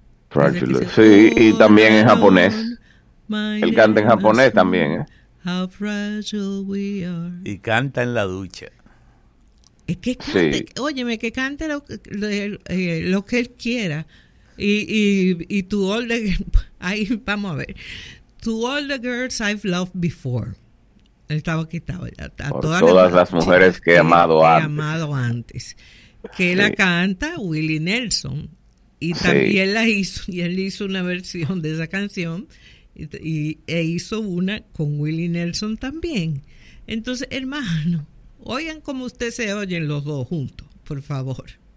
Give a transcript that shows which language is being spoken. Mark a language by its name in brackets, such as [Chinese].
[Spanish] Fragile, sí, y también en japonés. Él canta en japonés también. [English] How fragile we are. [Spanish] Y canta en la ducha. Es que cante, sí. Óyeme, que cante lo que él quiera. Y tu orden, ahí vamos a ver. [English] To all the girls I've loved before. [Spanish] Él estaba quitado ya. A todas las mujeres que he amado antes. Que sí. La canta Willie Nelson. Y sí. También la hizo. Y él hizo una versión de esa canción. E hizo una con Willie Nelson también. Entonces, hermano, oigan cómo ustedes se oyen los dos juntos, por favor.